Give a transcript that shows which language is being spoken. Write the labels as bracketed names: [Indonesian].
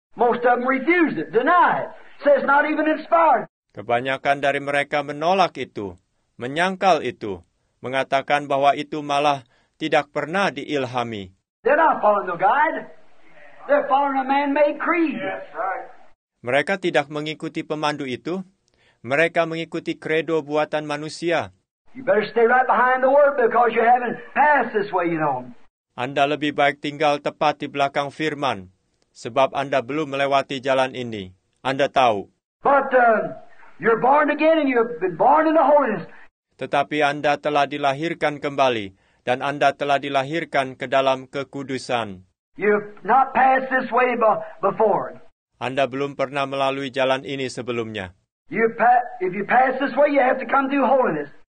[English] Most of them refuse it, deny it, says not even inspired. [Indonesian] Kebanyakan dari mereka menolak itu, menyangkal itu, mengatakan bahwa itu malah tidak pernah diilhami. [English] They're not following the guide. They're following a man-made creed. Yes, right. [Indonesian] Mereka tidak mengikuti pemandu itu. Mereka mengikuti kredo buatan manusia. [English] You better stay right behind the word because you haven't passed this way, you know. [Indonesian] Anda lebih baik tinggal tepat di belakang firman sebab Anda belum melewati jalan ini. Anda tahu. [English] But you're born again and you've been born in the holiness. [Indonesian] Tetapi Anda telah dilahirkan kembali, dan Anda telah dilahirkan ke dalam kekudusan. [English] You've not passed this way before. [Indonesian] Anda belum pernah melalui jalan ini sebelumnya. [English] If you pass this way, you have to come through holiness.